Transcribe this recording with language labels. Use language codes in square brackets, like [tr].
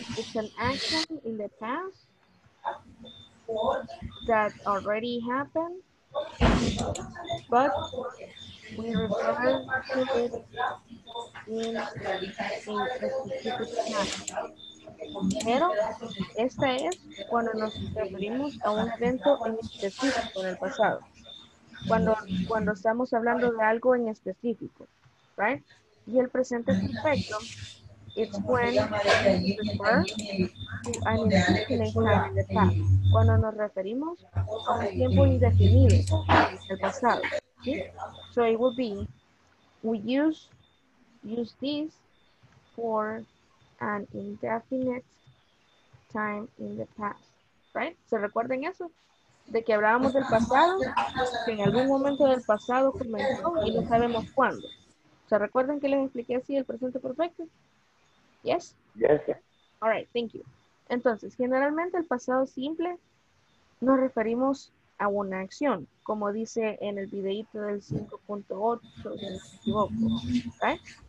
[en] It's an action in the past that already happened, but we refer to it in a specific time. [es] Pero esta es cuando nos referimos a un evento en específico en el pasado. Cuando estamos hablando de algo en específico, right? Y el presente perfecto [en] it's when we refer to the past. [es] Cuando nos referimos a un tiempo indefinido, el pasado. ¿Sí? [en] So it would be, we use this for an indefinite time in the past. [es] Right? ¿Se recuerdan eso? De que hablábamos del pasado, que en algún momento del pasado comenzó y no sabemos cuándo. ¿Se recuerdan que les expliqué así el presente perfecto? [en] Yes. Yes. All right. Thank you. [es] Entonces, generalmente el pasado simple nos referimos a una acción, como dice en el videito del 5.8, si no me equivoco, right?